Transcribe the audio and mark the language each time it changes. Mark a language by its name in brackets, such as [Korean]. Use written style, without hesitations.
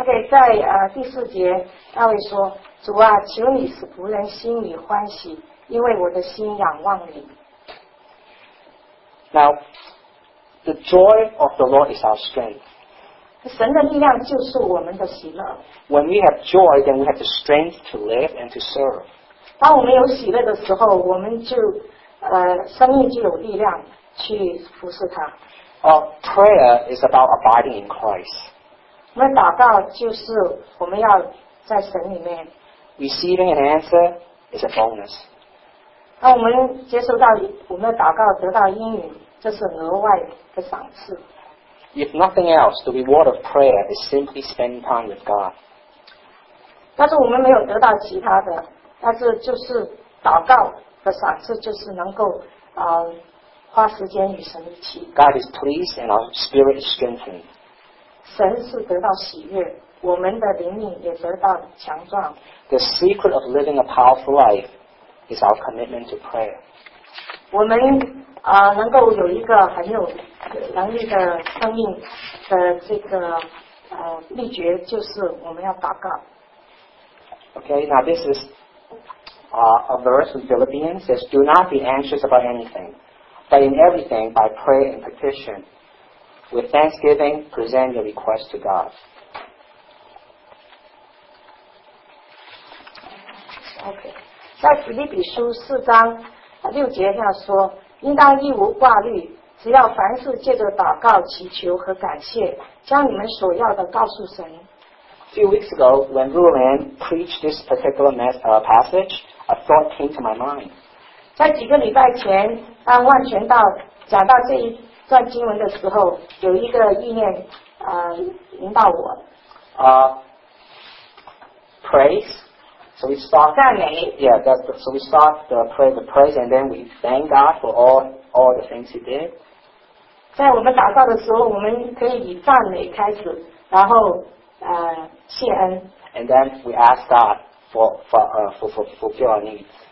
[Chinese] 在第四节，大卫说：“主啊，求你使仆人心里欢喜，因为我的心仰望你。” [English] Now, the joy of the Lord is our strength. [Chinese] 神的力量就是我们的喜乐。 [English] When we have joy, then we have the strength to live and to serve. [Chinese] 当我们有喜乐的时候，我们就生命就有力量去服侍他。 [English] Prayer is about abiding in Christ. [Chinese] 我们祷告就是我们要在神里面。 [English] Receiving an answer is a bonus. [Chinese] 当我们接受到我们的祷告得到应允，这是额外的赏赐。 [English] If nothing else, the reward of prayer is simply spending time with God. [Chinese] 但是我们没有得到其他的，但是就是祷告的赏赐，就是能够啊、花时间与神一起。 [English] God is pleased and our spirit is strengthened. [Chinese] 神是得到喜悦，我们的灵命也得到强壮。 [English] The secret of living a powerful life is our commitment to prayer. [Chinese] 我们啊、能够有一个很有能力的生命的这个秘诀，就是我们要祷告。 [English] Okay, now this is a verse in Philippians. It says, "Do not be anxious about anything, but in everything, by prayer and petition, with thanksgiving, present your request to God." [Chinese] Okay, 在腓立比书四章六节这样说，应当一无挂虑，只要凡事借着祷告、祈求和感谢，将你们所要的告诉神。 [English] A few weeks ago, when Ruolan preached this particular passage, a thought came to my mind. [Chinese] 在几个礼拜前，当万全道讲到这一段经文的时候，有一个意念引导我。 [English] Praise. So we start. [Chinese] 赞美。 [English] Yeah, so we start the praise, and then we thank God for all the things He did. [Chinese] 在我们祷告的时候，我们可以以赞美开始，然后。谢恩。 [English] And then we ask God for fulfill our needs.